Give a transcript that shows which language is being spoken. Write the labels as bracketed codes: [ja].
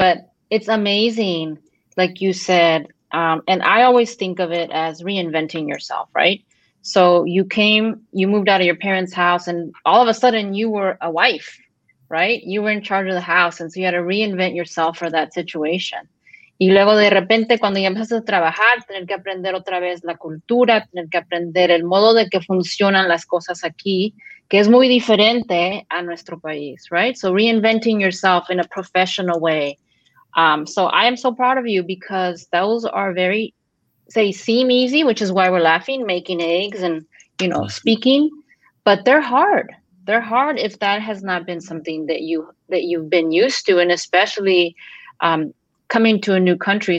[en] But it's amazing, like you said, and I always think of it as reinventing yourself, right? So you came, you moved out of your parents' house and all of a sudden you were a wife, right? You were in charge of the house. And so you had to reinvent yourself for that situation. [es] Y luego de repente, cuando ya empezaste a trabajar, tener que aprender otra vez la cultura, tener que aprender el modo de que funcionan las cosas aquí, que es muy diferente a nuestro país, right? [en] So reinventing yourself in a professional way. So I am so proud of you because those are very, they seem easy, which is why we're laughing, making eggs and, you know, speaking, but they're hard. They're hard if that has not been something that you've been used to, and especially coming to a new country.